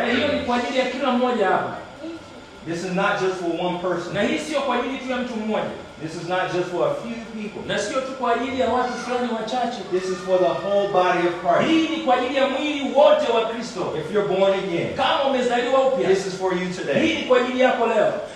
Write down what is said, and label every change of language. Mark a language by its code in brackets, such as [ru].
[sw] Hiyo ni kwa ajili ya kila mmoja hapa. [en] This is not just for one person. [sw] Na hii sio kwa ajili tu ya mtu mmoja. [en] This is not just for a few people. [sw] Na sio tu kwa ajili ya watu fulani wachache. [en] This is for the whole body of Christ. [sw] Hii ni kwa ajili ya mwili wote wa Kristo. [en] If you're born again. [sw] Kama umezaliwa upya. [en] This is for you today. [sw] Hii ni kwa ajili yako leo.